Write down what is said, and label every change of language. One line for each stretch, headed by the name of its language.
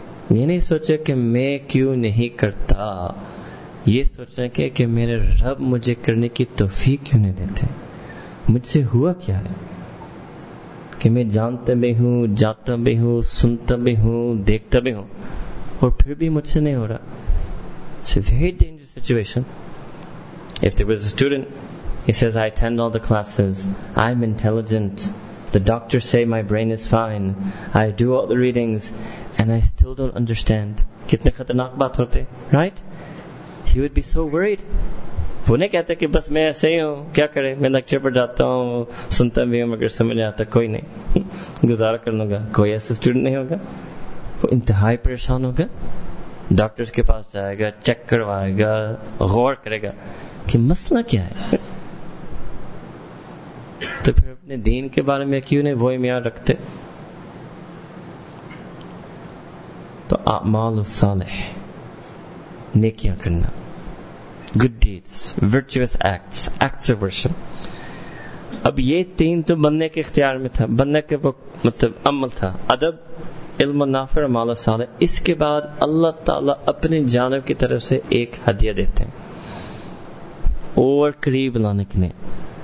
Urdu: یہ نہیں سوچے کہ میں کیوں نہیں کرتا, یہ سوچے کہ میرے رب مجھے کرنے کی توفیق کیوں نہیں دیتے, مجھ سے ہوا کیا ہے کہ میں جانتا بھی ہوں, جاتا بھی ہوں, سنتا بھی ہوں, دیکھتا بھی ہوں اور پھر بھی مجھ سے نہیں ہو رہا.
English: It's a very dangerous situation. If there was a student, he says, I attend all the classes, I'm intelligent, the doctors say my brain is fine, I do all the readings, and I still don't understand.
Urdu: کتنے خطرناک بات ہوتے,
English: right? He would be so worried.
Urdu: وہ نہیں کہتے کہ بس میں ایسے ہی ہوں, کیا کرے, میں لیکچر پر جاتا ہوں, سنتا بھی ہوں مگر سمجھ نہیں آتا, کوئی نہیں, گزارا کر لوں گا. کوئی ایسا اسٹوڈنٹ نہیں ہوگا, وہ انتہائی پریشان ہوگا, ڈاکٹر کے پاس جائے گا, چیک کروائے گا, غور کرے گا کہ مسئلہ کیا ہے. تو پھر اپنے دین کے بارے میں کیوں نہیں وہی معیار رکھتے. تو اعمال الصالح, نیکیاں کرنا,
English: good deeds, virtuous acts, acts of worship.
Urdu: اب یہ تین تو بندے کے اختیار میں تھا, بندے کے وہ مطلب عمل تھا, ادب, علم النافع, مال صالح. اس کے بعد اللہ تعالیٰ اپنی جانب کی طرف سے ایک ہدیہ دیتے ہیں اور قریب لانے کے لیے.